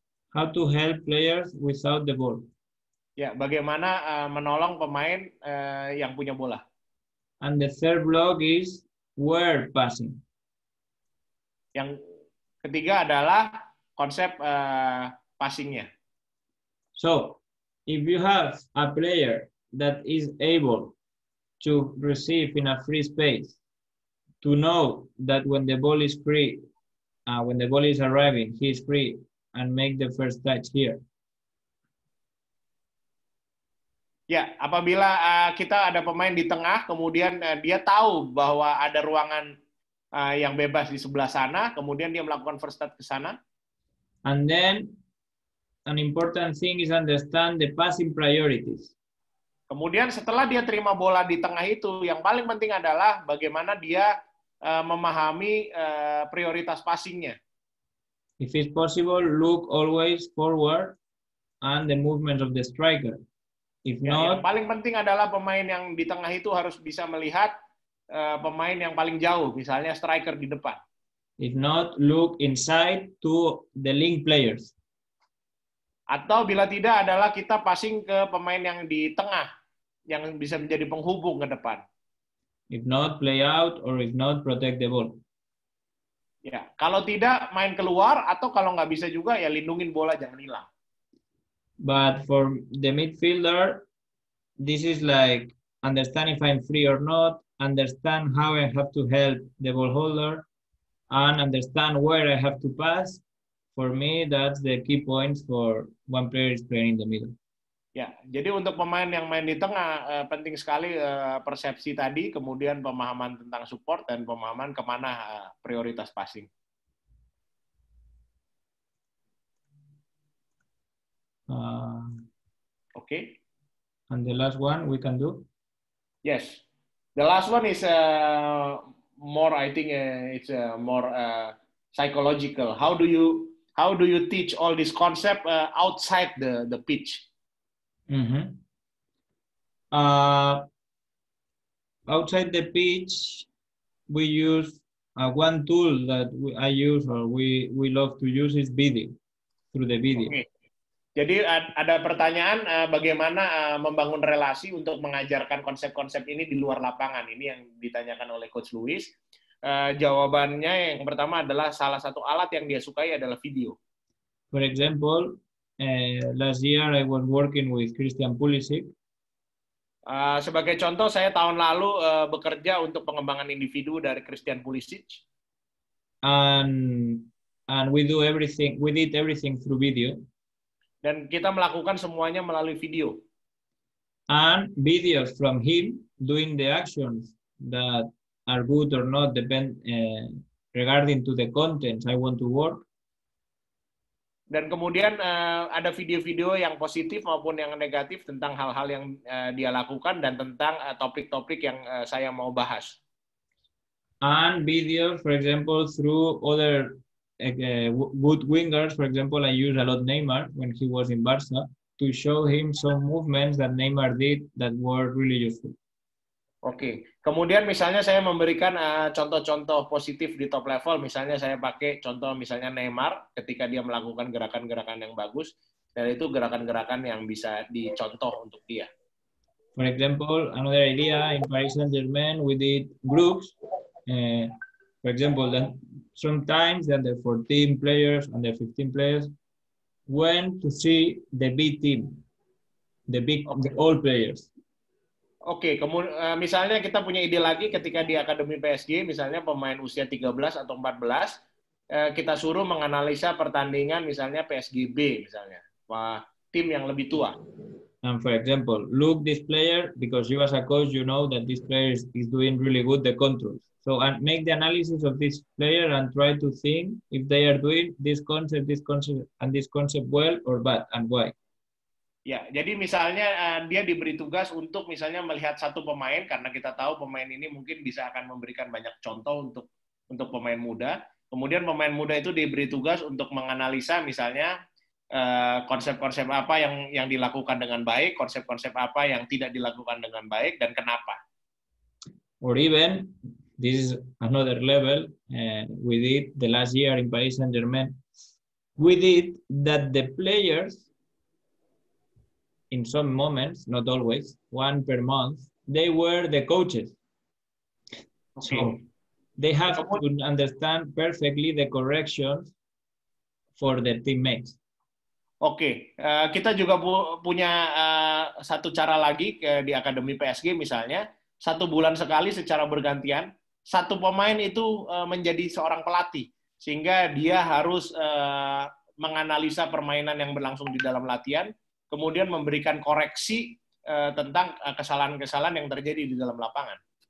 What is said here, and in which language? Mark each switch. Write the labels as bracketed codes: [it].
[en] How to help players without the ball. [id] Ya, bagaimana menolong pemain yang punya bola. [en] And the third block is where passing. [id] Yang ketiga adalah konsep passingnya. [en] So, if you have a player that is able to receive in a free space, to know that when the ball is free, when the ball is arriving, he is free and make the first touch here. [id] Ya, apabila kita ada pemain di tengah, kemudian dia tahu bahwa ada ruangan yang bebas di sebelah sana, kemudian dia melakukan first touch ke sana. [en] And then, an important thing is understand the passing priorities. [id] Kemudian setelah dia terima bola di tengah itu, yang paling penting adalah bagaimana dia memahami prioritas passingnya. [en] If it's possible, look always forward and the movement of the striker. If not, [id] yang paling penting adalah pemain yang di tengah itu harus bisa melihat pemain yang paling jauh, misalnya striker di depan. [en] If not, look inside to the link players. [id] Atau bila tidak adalah kita passing ke pemain yang di tengah, yang bisa menjadi penghubung ke depan. [en] If not, play out or if not, protect the ball. [id] Ya, kalau tidak main keluar atau kalau nggak bisa juga ya lindungin bola jangan hilang. [en] But for the midfielder, this is like understand if I'm free or not, understand how I have to help the ball holder, and understand where I have to pass. For me, that's the key points for one player is playing in the middle. [id] Ya, jadi untuk pemain yang main di tengah, penting sekali persepsi tadi, kemudian pemahaman tentang support, dan pemahaman kemana prioritas passing. [en] Okay. And the last one we can do? Yes. The last one is more, I think it's more psychological. How do you teach all this concept outside the pitch? Mm-hmm. Outside the pitch, we use one tool that I use or we love to use is video, through the video. Okay. [id] Jadi ada pertanyaan bagaimana membangun relasi untuk mengajarkan konsep-konsep ini di luar lapangan. Ini yang ditanyakan oleh Coach Luis. Jawabannya yang pertama adalah salah satu alat yang dia sukai adalah video. [en] For example, last year I was working with Christian Pulisic. [id] Sebagai contoh, saya tahun lalu bekerja untuk pengembangan individu dari Christian Pulisic. [en] And we do everything, we did everything through video. [id] Dan kita melakukan semuanya melalui video. [en] And videos from him doing the actions that are good or not depend regarding to the contents I want to work. [id] Dan kemudian ada video-video yang positif maupun yang negatif tentang hal-hal yang dia lakukan dan tentang topik-topik yang saya mau bahas. [en] And videos, for example, through other good wingers, for example, I use a lot Neymar when he was in Barca to show him some movements that Neymar did that were really useful. [id] Oke. Kemudian misalnya saya memberikan contoh-contoh positif di top level, misalnya saya pakai contoh misalnya Neymar ketika dia melakukan gerakan-gerakan yang bagus, dan itu gerakan-gerakan yang bisa dicontoh untuk dia. [en] For example, another idea in Paris Saint-Germain, we did groups. For example, then sometimes the under 14 players, under 15 players went to see the B team, the big, the old players. [id] Oke, misalnya kita punya ide lagi ketika di Akademi PSG, misalnya pemain usia 13 atau 14, kita suruh menganalisa pertandingan misalnya PSG B, misalnya. Wah, tim yang lebih tua. [en] And for example, look this player, because you as a coach, you know that this player is doing really good the controls. So and make the analysis of this player and try to think if they are doing this concept well or bad and why. [id] Ya, jadi misalnya dia diberi tugas untuk misalnya melihat satu pemain, karena kita tahu pemain ini mungkin bisa akan memberikan banyak contoh untuk pemain muda. Kemudian pemain muda itu diberi tugas untuk menganalisa misalnya konsep-konsep apa yang dilakukan dengan baik, konsep-konsep apa yang tidak dilakukan dengan baik, dan kenapa. [en] Or even, this is another level, we did the last year in Paris Saint-Germain, we did that the players in some moments, not always, one per month, they were the coaches. Okay. So they have to understand perfectly the corrections for their teammates. Okay. [id] Kita juga punya satu cara lagi di Akademi PSG misalnya, satu bulan sekali secara bergantian, satu pemain itu menjadi seorang pelatih, sehingga dia harus menganalisa permainan yang berlangsung di dalam latihan, kemudian memberikan koreksi tentang kesalahan-kesalahan yang terjadi di dalam lapangan.